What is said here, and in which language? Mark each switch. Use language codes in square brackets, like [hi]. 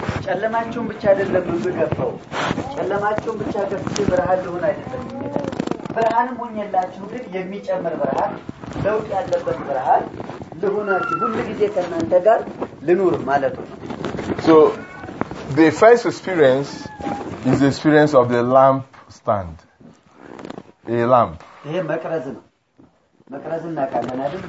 [am] ጨለማቸውን ብቻ አይደለም ምገፈው ጨለማቸውን ብቻ ገፍቼ ብርሃን ልሆን አይደለም። ብርሃን ሆኜላችሁ ግን የሚጨምር ብርሃን ለውጥ ያለበት ብርሃን ልሆናችሁ ሁሉ ጊዜ ከእናንተ ጋር ልኖር ማለት ነው። [en] So the first experience is the experience of the lamp stand. A lamp. [am] ይሄ መቅረዝ ነው። መቅረዝ እናቃለን አይደል?